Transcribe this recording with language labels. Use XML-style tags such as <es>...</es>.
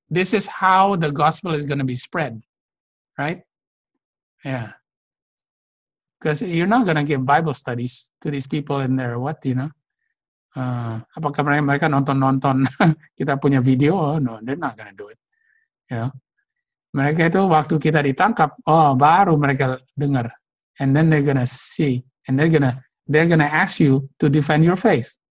<en>This is how the gospel is going to be spread, right? Yeah. Because you're not going to give Bible studies to these people in there. What, you know?</en> <id>Apakah mereka nonton kita punya video?</id> <en>Oh, no, they're not going to do it. You know?</en> <id>Mereka itu waktu kita ditangkap, oh, baru mereka dengar.</id> <en>And then they're going to see, and they're going to ask you to defend your faith.</en>